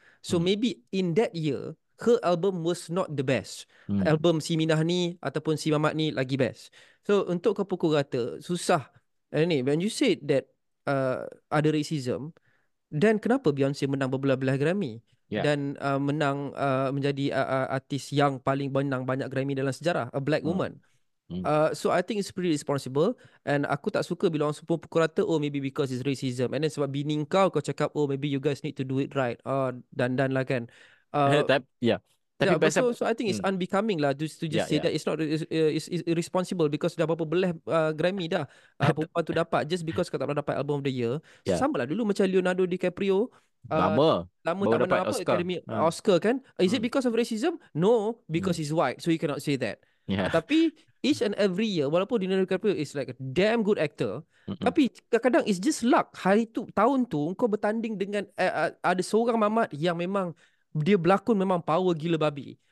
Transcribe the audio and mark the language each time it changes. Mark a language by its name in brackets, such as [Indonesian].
[English] So maybe in that year her album was not the best. [Malay] Album si Minah ni ataupun si Mamat ni lagi best. So untuk kau pukul rata susah. [English] And ni, when you said that [Malay] ada [English] racism, then [Malay] kenapa [English] Beyonce [Malay] menang berbelah-belah [English] Grammy? [Malay] Dan menang menjadi artis yang paling menang banyak Grammy dalam sejarah, [English] a black woman. So I think it's pretty responsible. And [Malay] aku tak suka bila orang semua pukul rata, [English] oh maybe because it's racism. And then [Malay] sebab bini kau, kau cakap [English] oh maybe you guys need to do it right. [Malay] Dan lah kan. Tapi [English] yeah, so I think it's unbecoming lah just to just say that it's not it's irresponsible because [Malay] dah berapa belah Grammy dah perempuan tu dapat [English] just because [Malay] kau tak pernah dapat [English] album of the year. [Malay] So, sama lah dulu macam Leonardo DiCaprio lama tak pernah dapat Academy Oscar kan. [English] Is it because of racism? No, because he's white, so you cannot say that. [Malay] Tapi [English] each and every year, [Malay] walaupun [English] Leonardo DiCaprio is like a damn good actor, [Malay] tapi kadang-kadang [English] it's just luck. [Malay] Hari tu, tahun tu kau bertanding dengan ada seorang mamat yang memang dia berlakon memang power gila babi.